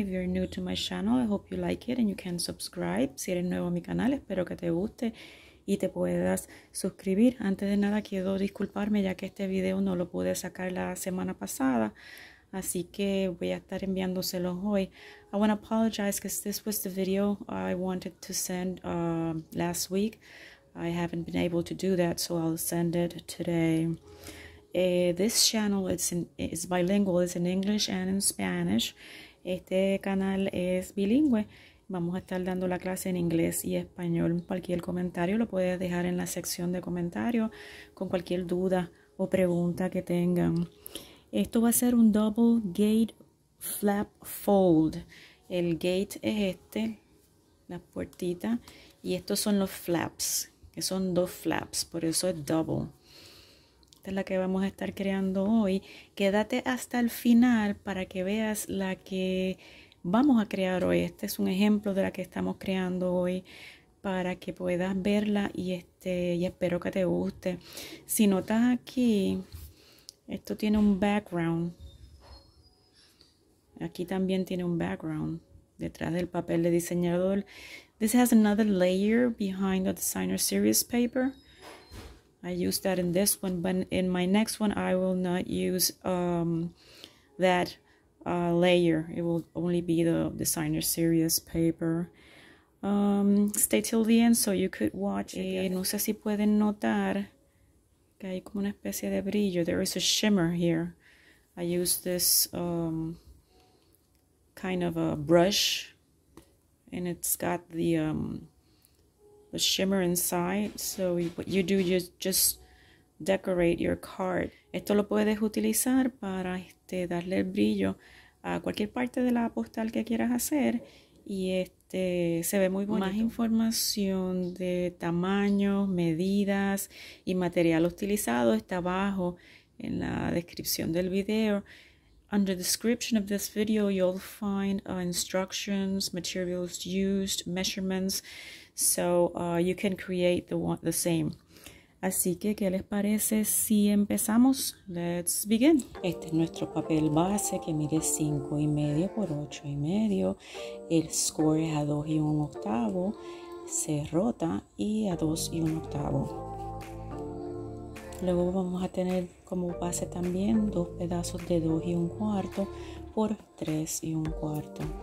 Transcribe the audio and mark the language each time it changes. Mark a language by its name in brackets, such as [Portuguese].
[English] If you're new to my channel, I hope you like it and you can subscribe. [Spanish] Si eres nuevo a mi canal, espero que te guste y te puedas suscribir. Antes de nada, quiero disculparme ya que este video no lo pude sacar la semana pasada, así que voy a estar enviándoselo hoy. [English] I want to apologize because this was the video I wanted to send last week. I haven't been able to do that, so I'll send it today. This channel is bilingual, it's in English and in Spanish. [Spanish] Este canal es bilingüe. Vamos a estar dando la clase en inglés y español. Cualquier comentario lo puedes dejar en la sección de comentarios con cualquier duda o pregunta que tengan. Esto va a ser un [English] double gate flap fold. [Spanish] El gate es este, la puertita, y estos son los flaps, que son dos flaps, por eso es double. Esta es la que vamos a estar creando hoy. Quédate hasta el final para que veas la que vamos a crear hoy. Este es un ejemplo de la que estamos creando hoy para que puedas verla y espero que te guste. Si notas aquí, esto tiene un background. Aquí también tiene un background detrás del papel de diseñador. [English] This has another layer behind the designer series paper. I use that in this one, but in my next one, I will not use that layer. It will only be the designer series paper. Stay till the end so you could watch it. [Spanish] No sé si pueden notar que hay como una especie de brillo. [English] There is a shimmer here. I use this kind of a brush, and it's got the shimmer inside, so what you do, you just decorate your card. [Spanish] Esto lo puedes utilizar para darle el brillo a cualquier parte de la postal que quieras hacer, y se ve muy bonito. Más información de tamaños, medidas y material utilizado está abajo en la descripción del video. [English] Under the description of this video, you'll find instructions, materials used, measurements, so you can create the same. [Spanish] Así que, ¿qué les parece si empezamos? [English] Let's begin. [Spanish] Este es nuestro papel base que mide 5.5 por 8.5. El score es a 2 1/8. Se rota y a 2 1/8. Luego vamos a tener como base también dos pedazos de 2 1/4 por 3 1/4.